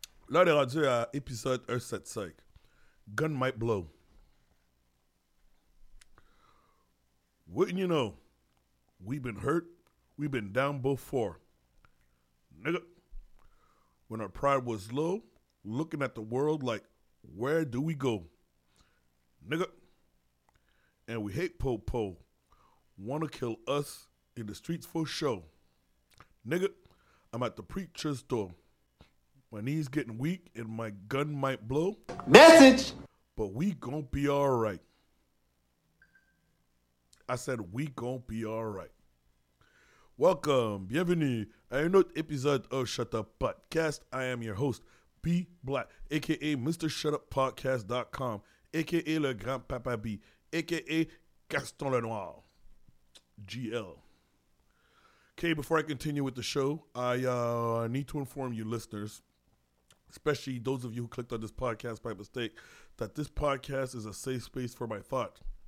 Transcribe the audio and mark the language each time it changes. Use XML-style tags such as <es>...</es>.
<fr>Là, on est rendu à épisode 175.</fr> <en>Gun might blow. Wouldn't you know, we've been hurt, we've been down before. Nigga, when our pride was low, looking at the world like, where do we go? Nigga, and we hate Po-Po. Wanna kill us in the streets for show. Nigga, I'm at the preacher's door. My knees getting weak and my gun might blow. Message! But we gon' be alright. I said we gon' be alright. Welcome, bienvenue à un autre épisode of Shut Up Podcast. I am your host, B Black, aka Mr. ShutUpPodcast.com, aka Le Grand Papa B, aka Gaston Lenoir. GL. Okay, before I continue with the show, I need to inform you listeners, especially those of you who clicked on this podcast by mistake, that this podcast is a safe space for my thought.</en>